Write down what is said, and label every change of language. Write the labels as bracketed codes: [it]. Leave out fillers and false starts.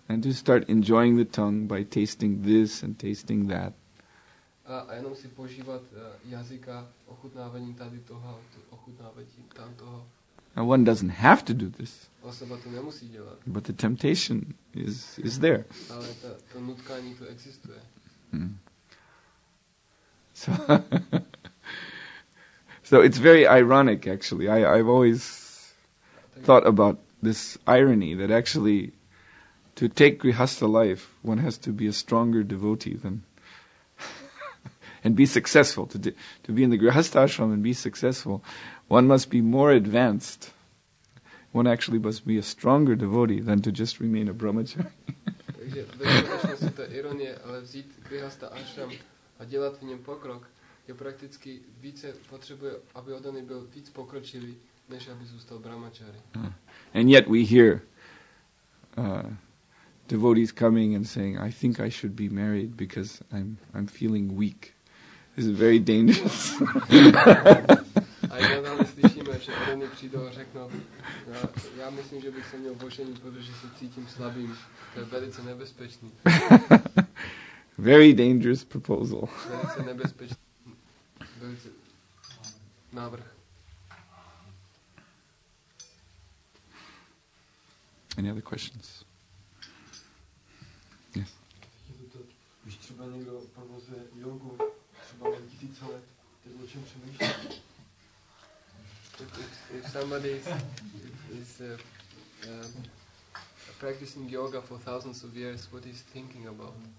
[en] And to start enjoying the tongue by tasting this and tasting that. [cs] A jenom si požívat jazyka, ochutnávání tady toho, ochutnávání tam toho. [en] And one doesn't have to do this. [cs] Osoba to nemusí dělat. [en] But the temptation is there. [cs] Ale to nutkání tu existuje. [en] So it's very ironic, actually. I've always thought about this irony that actually to take grihastha life one has to be a stronger devotee than and be successful to be in the grihastha ashram and be successful one must be more advanced one actually must be a stronger devotee than to just remain a brahmachari. [cs] Takže vlastně to je ironie, ale vzít grihastha ashram a dělat v něm pokrok je prakticky více potřebuje, aby odaný byl víc pokročilý, než aby zůstal brahmachari. [en] And yet we hear devotees coming and saying, I think I should be married because I'm feeling weak. This is very dangerous. [cs] A jedná slyšíme, že oni přijdou a řeknou, já myslím, že bych se měl božení, protože se cítím slabým. To je velice nebezpečný. [en] Very dangerous proposal. [cs] Velice nebezpečný. Velice návrh. [en] Any other questions? Yes. [cs] Když třeba někdo provozuje jogu, třeba na tisíce let, tak o čem přemýšlí? [en] If somebody is practicing yoga for thousands of years, what is thinking about?